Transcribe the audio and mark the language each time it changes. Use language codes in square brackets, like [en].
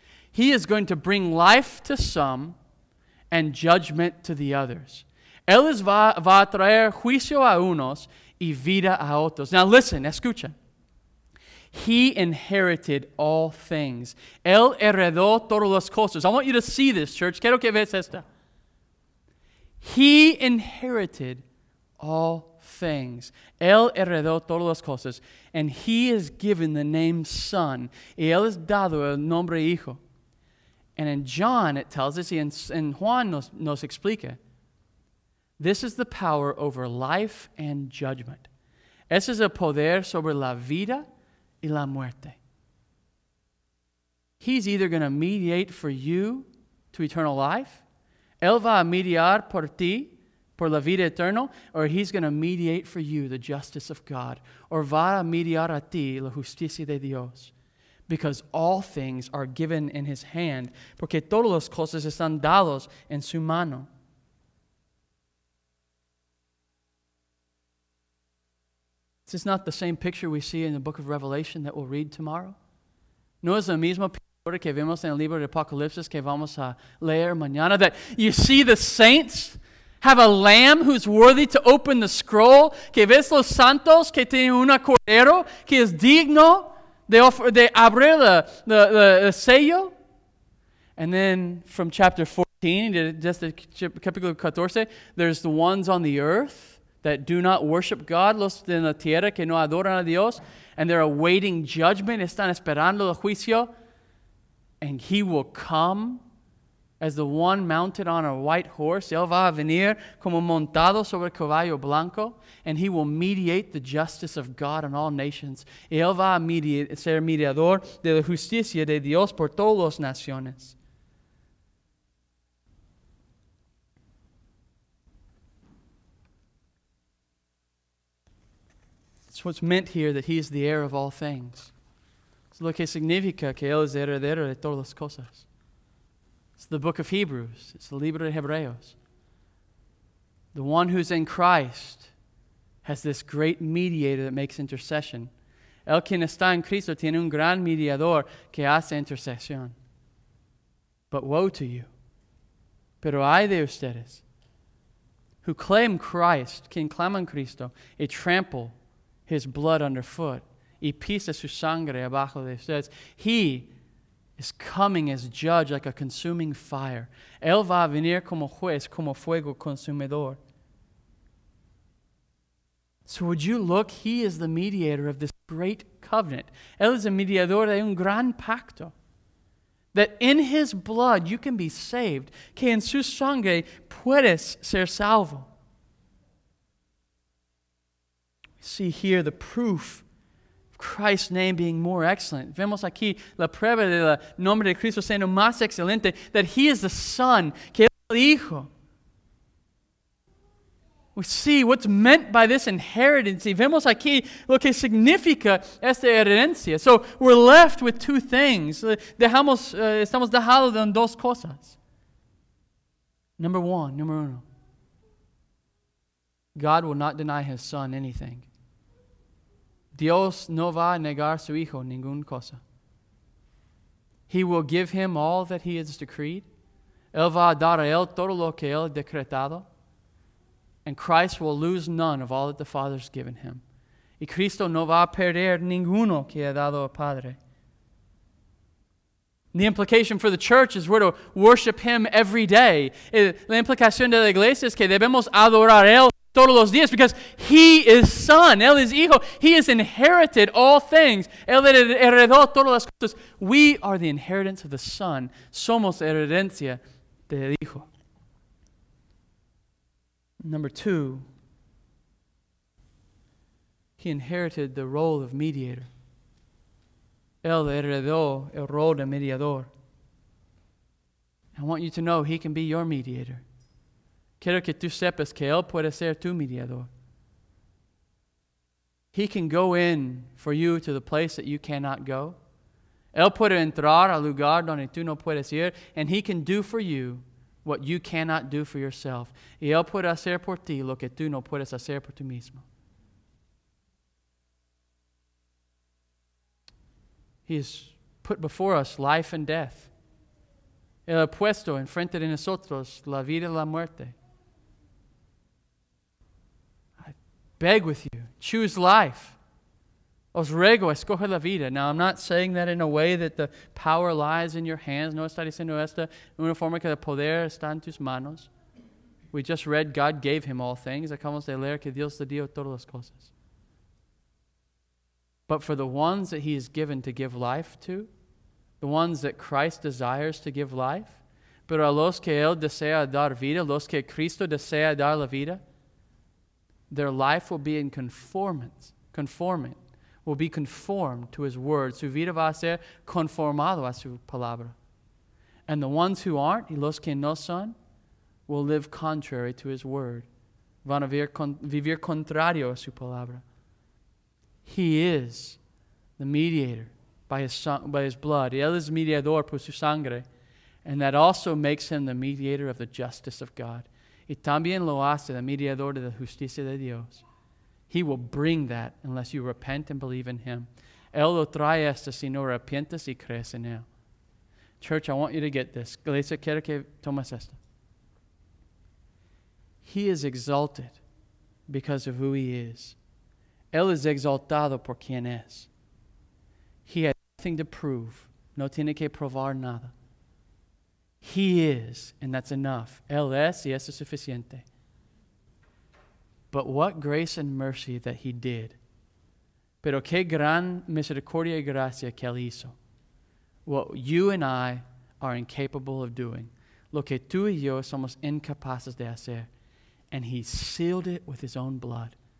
[en] He is going to bring life to some and judgment to the others. [es] Él va a traer juicio a unos y vida a otros. [en] Now listen, [es] escucha. [en] He inherited all things. [es] Él heredó todas las cosas. [en] I want you to see this, church. [es] Quiero que veas esto. [en] He inherited all things. [es] Él heredó todas las cosas. [en] And he is given the name Son. [es] Y él es dado el nombre Hijo. [en] And in John, it tells us, and [es] Juan nos explica, [en] this is the power over life and judgment. [es] Ese es el poder sobre la vida y la muerte. [en] He's either going to mediate for you to eternal life. [es] Él va a mediar por ti, por la vida eterna. [en] Or he's going to mediate for you the justice of God. Or [es] va a mediar a ti la justicia de Dios. [en] Because all things are given in his hand. [es] Porque todas las cosas están dadas en su mano. [en] This is not the same picture we see in the book of Revelation that we'll read tomorrow. [es] No es la misma pintura que vemos en el libro de Apocalipsis que vamos a leer mañana. [en] That you see the saints have a lamb who's worthy to open the scroll. [es] Que ves los santos que tienen un cordero que es digno de abrir el sello. [en] And then from chapter 4. 15 to 14, there's the ones on the earth that do not worship God, [es] los de la tierra que no adoran a Dios, [en] and they're awaiting judgment, [es] están esperando el juicio, [en] and he will come as the one mounted on a white horse. [es] Él va a venir como montado sobre caballo blanco, [en] and he will mediate the justice of God on all nations. [es] Él va a ser mediador de la justicia de Dios por todas las naciones. [en] It's what's meant here, that he is the heir of all things. [es] Es lo que significa que él es heredero de todas las cosas. [en] It's the book of Hebrews. It's the [es] libro de Hebreos. [en] The one who's in Christ has this great mediator that makes intercession. [es] El quien está en Cristo tiene un gran mediador que hace intercesión. [en] But woe to you. [es] Pero hay de ustedes [en] who claim Christ, [es] quien claman Cristo, y [en] trample his blood underfoot, [es] y pisa su sangre abajo de ustedes. [en] He is coming as judge like a consuming fire. [es] Él va a venir como juez, como fuego consumidor. [en] So would you look, he is the mediator of this great covenant. [es] Él es el mediador de un gran pacto. [en] That in his blood you can be saved. [es] Que en su sangre puedes ser salvo. [en] See here the proof of Christ's name being more excellent. [es] Vemos aquí la prueba del nombre de Cristo siendo más excelente, [en] that he is the Son, [es] que es el Hijo. [en] We see what's meant by this inheritance. [es] Vemos aquí lo que significa esta herencia. [en] So we're left with two things. [es] Estamos dejados en dos cosas. [en] Number [es] uno. [en] God will not deny his Son anything. [es] Dios no va a negar su hijo ningún cosa. [en] He will give him all that he has decreed. [es] Él va a dar a él todo lo que él ha decretado. [en] And Christ will lose none of all that the Father has given him. [es] Y Cristo no va a perder ninguno que ha dado al Padre. [en] The implication for the church is we're to worship him every day. [es] La implicación de la iglesia es que debemos adorar a él todos los días, [en] because he is Son, [es] él es Hijo, [en] he has inherited all things, [es] él heredó todas las cosas. [en] We are the inheritance of the Son, [es] somos herencia del Hijo. [en] Number two, he inherited the role of mediator. [es] Él heredó el rol de mediador. [en] I want you to know he can be your mediator. [es] Quiero que tú sepas que él puede ser tu mediador. [en] He can go in for you to the place that you cannot go. [es] Él puede entrar al lugar donde tú no puedes ir, [en] and he can do for you what you cannot do for yourself. [es] Y él puede hacer por ti lo que tú no puedes hacer por ti mismo. [en] He has put before us life and death. [es] Él ha puesto enfrente de nosotros la vida y la muerte. [en] Beg with you, choose life. [es] Os ruego, escoge la vida. [en] Now, I'm not saying that in a way that the power lies in your hands. [es] No está diciendo esta una forma que el poder está en tus manos. [en] We just read God gave him all things. [es] Acabamos de leer que Dios le dio todas las cosas. [en] But for the ones that he has given to give life to, the ones that Christ desires to give life, [es] pero a los que él desea dar vida, los que Cristo desea dar la vida, [en] their life will be in conformance, will be conformed to his word. [es] Su vida va a ser conformado a su palabra. [en] And the ones who aren't, [es] y los que no son, [en] will live contrary to his word. [es] Van a vivir contrario a su palabra. [en] He is the mediator by his blood. [es] Y él es mediador por su sangre. [en] And that also makes him the mediator of the justice of God. [es] Y también lo hace el mediador de la justicia de Dios. [en] He will bring that unless you repent and believe in him. [es] Él lo trae esto si no arrepientes y crees en él. [en] Church, I want you to get this. [es] Iglesia, quiero que tomes esto. [en] He is exalted because of who he is. [es] Él es exaltado por quien es. [en] He has nothing to prove. [es] No tiene que probar nada. [en] He is, and that's enough. [es] Él es y eso es suficiente. [en] But what grace and mercy that he did. [es] Pero qué gran misericordia y gracia que él hizo. [en] What you and I are incapable of doing. [es] Lo que tú y yo somos incapaces de hacer. [en] And he sealed it with his own blood.